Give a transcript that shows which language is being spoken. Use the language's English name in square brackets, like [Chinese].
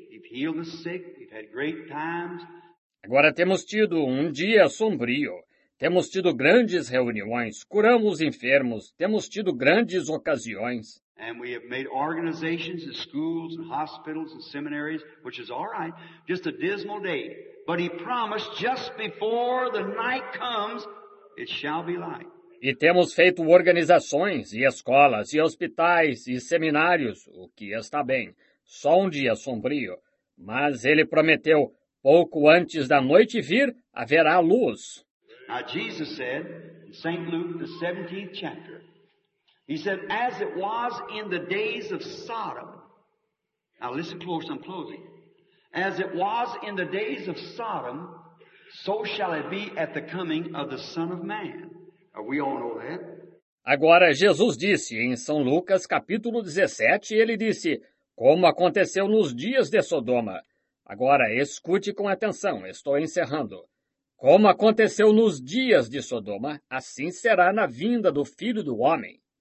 [English] We've healed the sick. We've had great times. [Portuguese] Agora temos tido um dia sombrio, temos tido grandes reuniões, curamos enfermos, temos tido grandes ocasiões. [English] And we have made organizations and schools and hospitals and seminaries, which is all right, just a dismal day. But he promised just before the night comes, it shall be light. [Portuguese] E temos feito organizações e escolas e hospitais e seminários, o que está bem, só um dia sombrio, mas ele prometeu, pouco antes da noite vir, haverá luz. [English] Now Jesus said, in St. Luke, the 17th chapter, he said, as it was in the days of Sodom. Now listen close, I'm closing. As it was in the days of Sodom, so shall it be at the coming of the Son of Man. Now, we all know that. [Portuguese] Agora Jesus disse, em São Lucas, capítulo 17, ele disse, como aconteceu nos dias de Sodoma. Agora, escute com atenção, estou encerrando. Como aconteceu nos dias de Sodoma, assim será na vinda do Filho do Homem.